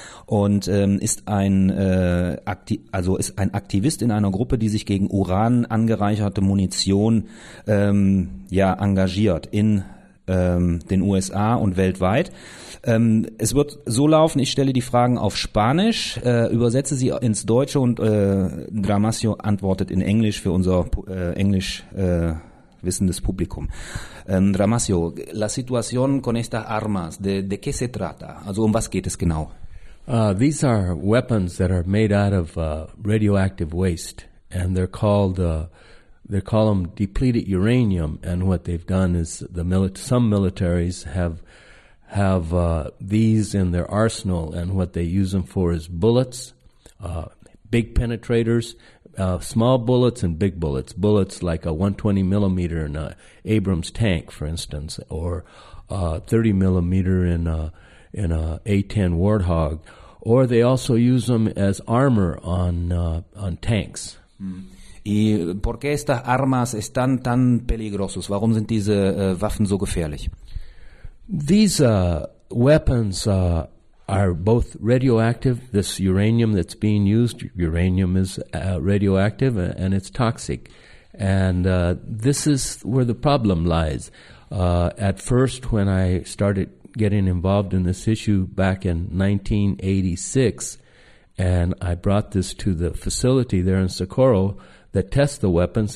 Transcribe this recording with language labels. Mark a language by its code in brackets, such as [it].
[de] Und ist ein Aktivist in einer Gruppe, die sich gegen Uran angereicherte Munition engagiert in den USA und weltweit. Es wird so laufen, ich stelle die Fragen auf Spanisch, übersetze sie ins Deutsche und Dramasio antwortet in Englisch für unser Englisch wissendes Publikum. [es] Dramasio, la situación con estas armas, de qué se trata? [de] Also um was geht es genau? [en] These are weapons that are made out of radioactive waste, and they call them depleted uranium. And what they've done is some militaries have these in their arsenal, and what they use them for is bullets, big penetrators, small bullets and big bullets. Bullets like a 120 millimeter in a Abrams tank, for instance, or 30 millimeter in a A-10 Warthog. Or they also use them as armor on tanks. [es] ¿Y por qué estas armas están tan peligrosas? [de] ¿Warum sind diese Waffen so gefährlich? [en] These weapons are both radioactive. This uranium that's being used, uranium is radioactive and it's toxic. And this is where the problem lies. At first, when I started getting involved in this issue back in 1986, and I brought this to the facility there in Socorro that tests the weapons.